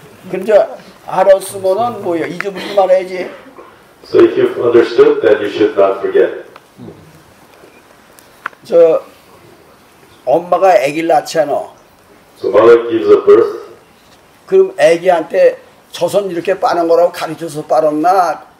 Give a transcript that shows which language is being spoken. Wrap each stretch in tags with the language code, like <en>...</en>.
<ko>그러니까 알았으면은 뭐야, 잊어버리지 말아야지.</ko> <en>So if you've understood, then you should not forget.</en> <ko>저 엄마가 아기를 낳잖아.</ko> <en>So mother gives a birth.</en> <ko>그럼 아기한테 저손 이렇게 빠는 거라고 가르쳐서 빨았나?</ko>